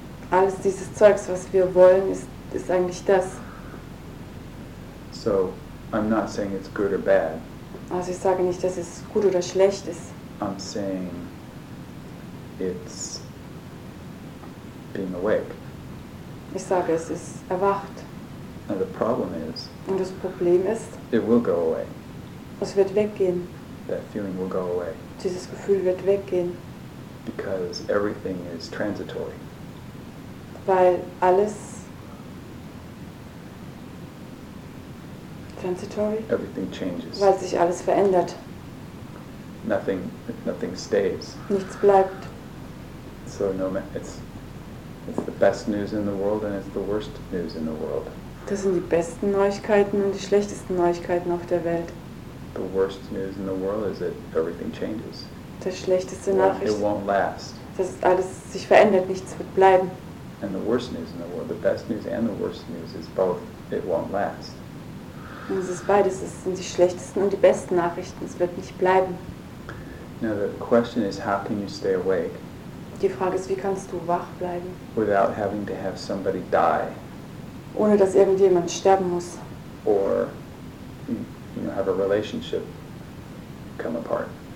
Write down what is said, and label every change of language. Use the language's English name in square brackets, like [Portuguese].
[German] Alles dieses Zeugs, was wir wollen, ist eigentlich das. [English] So, I'm not saying it's good or bad. [German] Also ich sage nicht, dass es gut oder schlecht ist. [English] I'm saying it's being awake. [German] Ich sage, es ist erwacht. [English] And the problem is, [German] und das Problem ist, [English] it will go away. [German] Es wird weggehen. [English] That feeling will go away. [German] Dieses Gefühl wird weggehen. [English] Because everything is transitory. [German] Weil alles transitory. [English] Everything changes. [German] Weil sich alles verändert. [English] Nothing stays. [German] Nichts bleibt. [English] So no matter, it's the best news in the world and it's the worst news in the world. [German] Das sind die besten Neuigkeiten und die schlechtesten Neuigkeiten auf der Welt. [English] The worst news in the world is that everything changes. [German] Das schlechteste Nachricht. [English] It won't last. [German] Dass alles sich verändert, nichts wird bleiben. [English] And the worst news in the world, the best news and the worst news is both, it won't last. [German] Und es ist beides, es sind die schlechtesten und die besten Nachrichten, es wird nicht bleiben. [English] Now the question is, how can you stay awake? [German] Die Frage ist, wie kannst du wach bleiben? [English] Without having to have somebody die. [German] Ohne dass irgendjemand sterben muss. [English] Or, you know, have a relationship come apart.